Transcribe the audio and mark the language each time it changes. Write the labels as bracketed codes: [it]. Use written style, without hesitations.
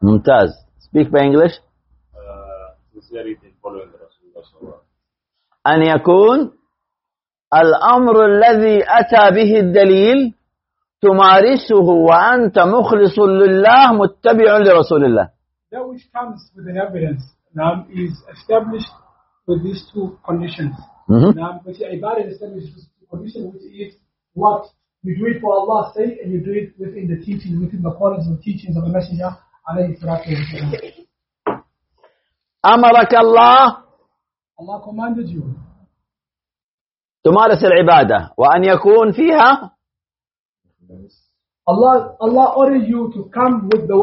[ar] ممتاز. [en] Speak by English. Sincerity in following the Rasulullah. [ar] أن يكون الأمر الذي أتى به الدليل تمارسه وأنت مخلص لله متبع لرسول الله. [en] That which comes with an evidence now is established with these two conditions. Mm-hmm. Now, which ibadah establishes this condition, which is what you do it for Allah's sake and you do it within the teachings, within the qualities of teachings of the Messenger, alayhi salatu wa sallam. [ar] أمرك الله. [en] Allah commanded you. [ar] تمارس العبادة وأن يكون فيها. [en] Allah ordered you to come with the.